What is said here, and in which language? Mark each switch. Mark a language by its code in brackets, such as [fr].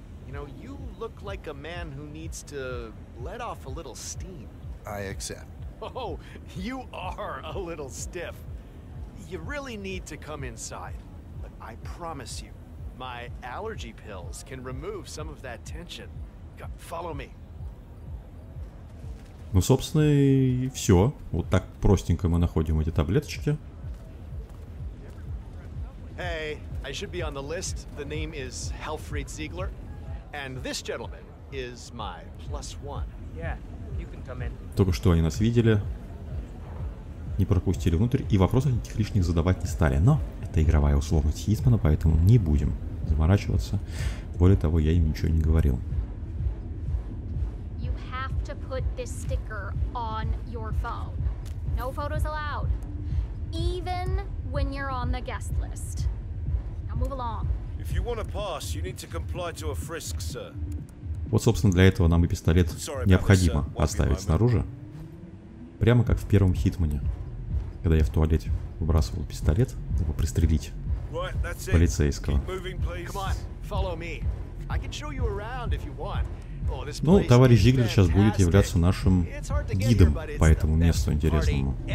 [en] You know, you look like a man who needs to let off a little steam. I accept. Oh, you are a little stiff. You really need to come inside. Look, I promise you, my allergy pills can remove some of that tension. Follow me. [ru] Ну, собственно, и все. Вот так простенько мы находим эти таблеточки. [en] Hey, I should be on the list. The name is Helfried Ziegler. And this gentleman is my plus one. Yeah, you can come in. [ru] Только что они нас видели, не пропустили внутрь и вопросов никаких лишних задавать не стали. Но это игровая условность Хитмана, поэтому не будем заморачиваться. Более того, я им ничего не говорил. [en] You have to put this sticker on your phone. No photos allowed. Even when you're on the guest list. Now move along. If you want to pass, you need to comply to a frisk, sir. [ru] Вот, собственно, для этого нам и пистолет необходимо оставить снаружи. Прямо как в первом Хитмане, когда я в туалете выбрасывал пистолет, чтобы пристрелить полицейского. Ну, товарищ Зиглер сейчас будет являться нашим гидом по этому месту интересному.